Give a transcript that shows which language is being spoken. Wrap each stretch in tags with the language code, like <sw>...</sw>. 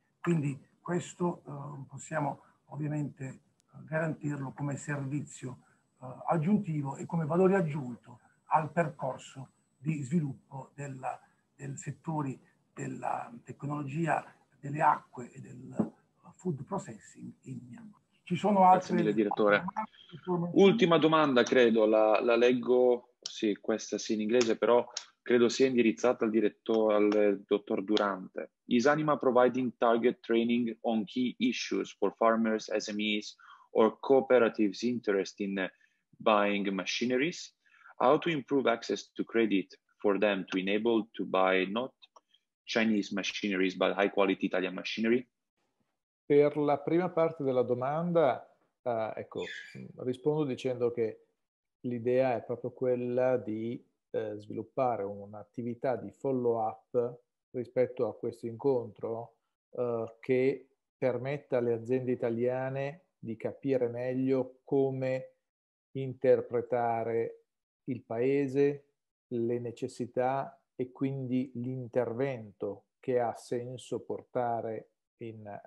<it>Quindi questo possiamo ovviamente garantirlo come servizio aggiuntivo e come valore aggiunto al percorso di sviluppo del settore della tecnologia delle acque e del food processing in Myanmar. Ci sono altre... Grazie mille, direttore. Ultima domanda, credo, la leggo, sì, questa sì in inglese, però... credo sia indirizzata al dottor Durante.</it> <en>Is Anima providing target training on key issues for farmers, SMEs or cooperatives interested in buying machineries? How to improve access to credit for them to enable to buy not Chinese machineries but high quality Italian machinery?</en> <it>Per la prima parte della domanda, ecco, rispondo dicendo che l'idea è proprio quella di sviluppare un'attività di follow-up rispetto a questo incontro che permetta alle aziende italiane di capire meglio come interpretare il paese, le necessità e quindi l'intervento che ha senso portare in</it>